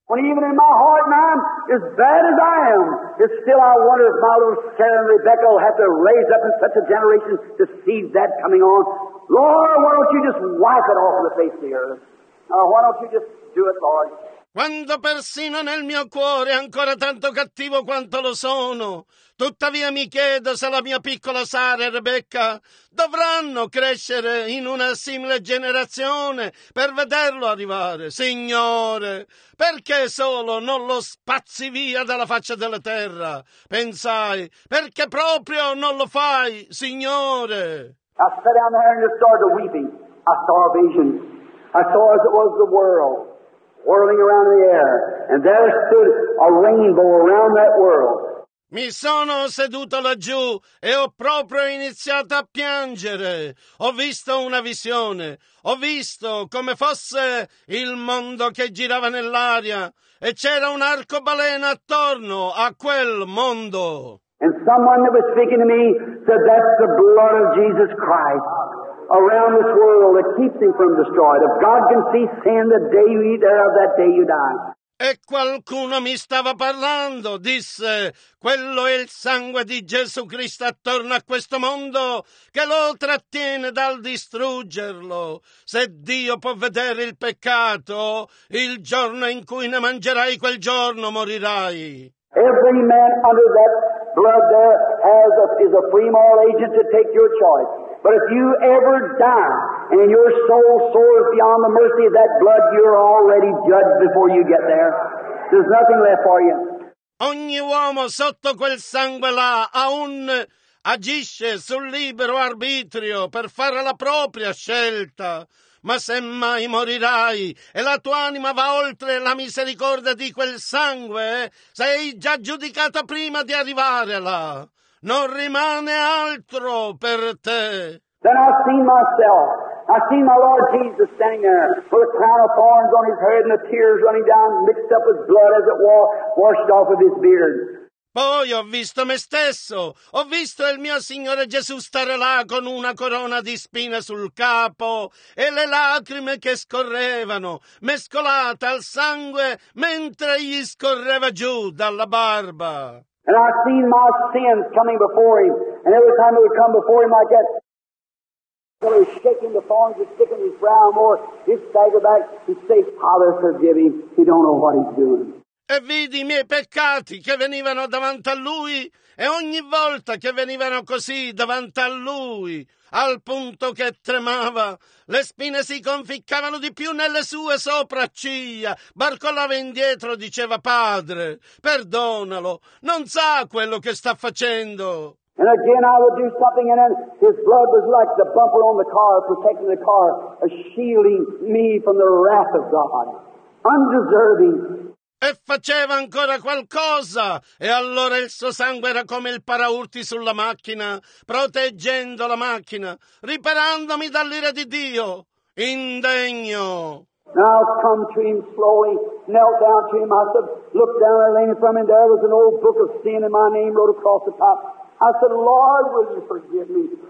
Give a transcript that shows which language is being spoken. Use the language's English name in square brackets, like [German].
[English] When even in my heart, man, as bad as I am, it's still I wonder if my little Sarah and Rebecca will have to raise up in such a generation to see that coming on. Lord, why don't you just wipe it off the face of the earth? Why don't you just do it, Lord? [Italian] Quando persino nel mio cuore è ancora tanto cattivo quanto lo sono, tuttavia mi chiedo se la mia piccola Sara e Rebecca dovranno crescere in una simile generazione per vederlo arrivare. Signore, perché solo non lo spazzi via dalla faccia della terra? Pensai, perché proprio non lo fai, Signore? [English] I sat down there and started weeping. I saw a vision. I saw as it was the world. Whirling around the air, and there stood a rainbow around that world. [Italian] Mi sono seduto laggiù e ho proprio iniziato a piangere. Ho visto una visione. Ho visto come fosse il mondo che girava nell'aria e c'era un arcobaleno attorno a quel mondo. [English] And someone that was speaking to me said, "That's the blood of Jesus Christ." Around this world that keeps him from destroyed. If God can see sin, the day you eat thereof, that day you die. [Italian] E qualcuno mi stava parlando, disse, quello è il sangue di Gesù Cristo attorno a questo mondo che lo trattiene dal distruggerlo. Se Dio può vedere il peccato, il giorno in cui ne mangerai, quel giorno morirai. [English] Every man under that blood there is a free moral agent to take your choice. But if you ever die and your soul soars beyond the mercy of that blood, you're already judged before you get there. There's nothing left for you. [Italian] Ogni uomo sotto quel sangue là agisce sul libero arbitrio per fare la propria scelta. Ma semmai morirai e la tua anima va oltre la misericordia di quel sangue, sei già giudicato prima di arrivare là. Non rimane altro per te. [English] Then I seen myself. I seen my Lord Jesus standing there with a crown of thorns on his head and the tears running down mixed up with blood as it was washed off of his beard. [Italian] Poi ho visto me stesso. Ho visto il mio Signore Gesù stare là con una corona di spine sul capo e le lacrime che scorrevano mescolate al sangue mentre gli scorreva giù dalla barba. [English] And I seen my sins coming before him. And every time it would come before him like that, when he was shaking the thorns, he was sticking his brow more, he'd stagger back, he'd say, Father, forgive him. He don't know what he's doing. [Italian] e vidi i miei peccati che venivano davanti a lui, e ogni volta che venivano così davanti a lui, al punto che tremava, le spine si conficcavano di più nelle sue sopracciglia, barcollava indietro, diceva: Padre, perdonalo, non sa quello che sta facendo. [English] And again I would do something, and then his blood was like the bumper on the car, protecting the car, shielding me from the wrath of God. Undeserving. [Italian] E faceva ancora qualcosa, e allora il suo sangue era come il paraurti sulla macchina, proteggendo la macchina, riparandomi dall'ira di Dio. Indegno. [English] Now I've come to him slowly, knelt down to him. I said, look down and lean from him. There was an old book of sin in my name wrote across the top. I said, Lord, will you forgive me?